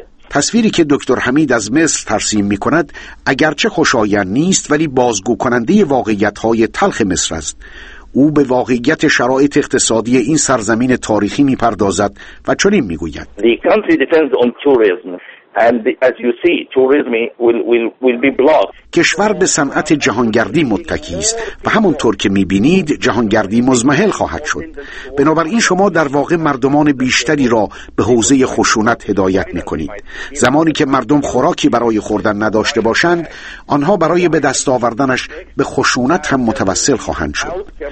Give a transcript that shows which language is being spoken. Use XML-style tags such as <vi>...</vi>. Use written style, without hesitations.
<fa>تصویری که دکتر حمید از مصر ترسیم می‌کند اگرچه خوشایند نیست، ولی بازگو کننده واقعیت‌های تلخ مصر است. او به واقعیت شرایط اقتصادی این سرزمین تاریخی می‌پردازد و چنین می‌گوید:</fa> <en>The country depends on tourism and as you see tourism will be blocked.</en> <fa>کشور به صنعت جهانگردی متکی است و همونطور که می‌بینید جهانگردی مزمحل خواهد شد. بنابراین شما در واقع مردمان بیشتری را به حوزه خشونت هدایت می‌کنید. زمانی که مردم خوراکی برای خوردن نداشته باشند، آنها برای به دست آوردنش به خشونت هم متوسل خواهند شد.</fa>